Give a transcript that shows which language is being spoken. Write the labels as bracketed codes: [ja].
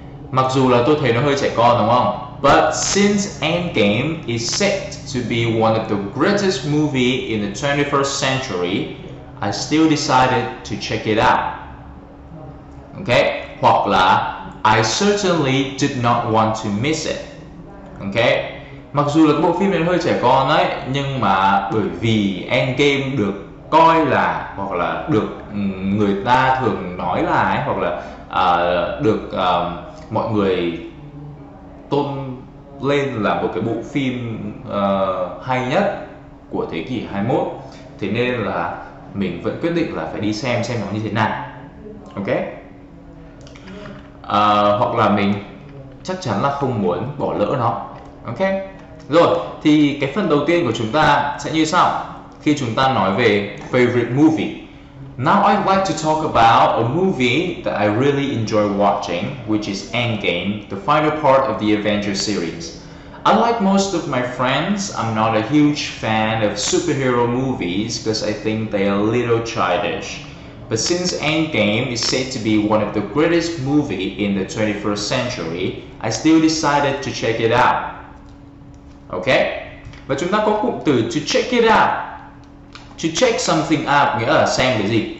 [vi] Mặc dù là tôi thấy nó hơi trẻ con đúng không? [en] But since Endgame is set to be one of the greatest movie in the 21st century, I still decided to check it out. Ok, [vi] hoặc là [en] I certainly did not want to miss it. [vi] Ok, mặc dù là cái bộ phim này hơi trẻ con ấy, nhưng mà bởi vì Endgame được coi là, hoặc là được người ta thường nói là ấy, hoặc là được mọi người tôn lên là một cái bộ phim hay nhất của thế kỷ 21. Thế nên là mình vẫn quyết định là phải đi xem nó như thế nào. Ok. Hoặc là mình chắc chắn là không muốn bỏ lỡ nó. Ok. Rồi, thì cái phần đầu tiên của chúng ta sẽ như sau. Khi chúng ta nói về [en] favorite movie, now I'd like to talk about a movie that I really enjoy watching, which is Endgame, the final part of the Avengers series. Unlike most of my friends, I'm not a huge fan of superhero movies because I think they are a little childish. But since Endgame is said to be one of the greatest movies in the 21st century, I still decided to check it out. Ok? [vi] Và chúng ta có cụm từ [en] to check it out. To check something out [vi] nghĩa là xem cái gì.